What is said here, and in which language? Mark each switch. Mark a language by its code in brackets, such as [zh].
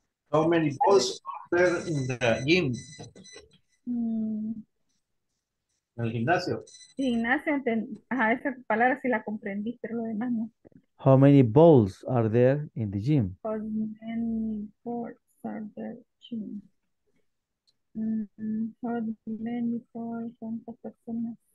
[en] How many balls are there in the gym? [es] En el gimnasio. Sí, gimnasio. Ajá, esa palabra sí la comprendí, pero lo demás no. [en] How many balls are there in the gym? How many balls are there in the gym? How many balls are there in the gym?